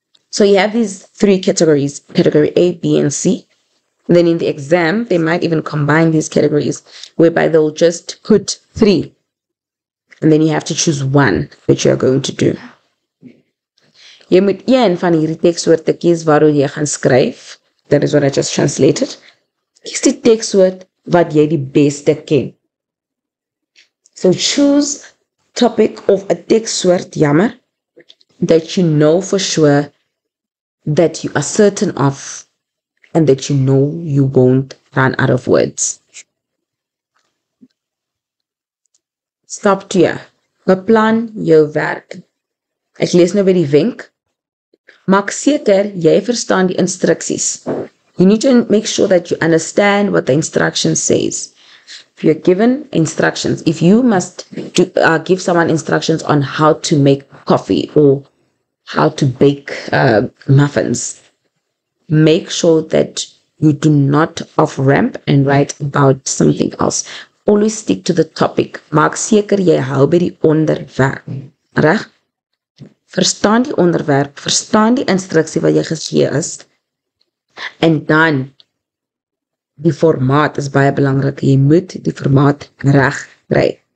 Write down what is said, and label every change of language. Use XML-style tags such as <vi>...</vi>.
<en>So you have these 3 categories, category A, B and C. And then in the exam, they might even combine these categories whereby they'll just put 3. And then you have to choose 1 that you're going to do.</en> <af>Jy moet 1 van hierdie teksoorte kies waaroor jy gaan skryf.</af> <en>That is what I just translated.</en> <af>Kies die teksoort wat jy die beste ken.</af> <en>So choose topic of a teksoort, jammer, that you know for sure, that you are certain of, and that you know you won't run out of words.</en> <af>Stap 2. Beplan jou werk. Ek lees nou by die wenk. Maak seker jy verstaan die instruksies.</af> <en>You need to make sure that you understand what the instruction says. If you're given instructions, if you must do, give someone instructions on how to make coffee or how to bake muffins, make sure that you do not off-ramp and write about something else. Always stick to the topic.</en> <af>Maak seker jy hou by die onderwerp. Reg? Verstaan die onderwerp, verstaan die instruksie wat jy gegee is, en dan, die formaat is baie belangrik, jy moet die formaat reg kry.</af>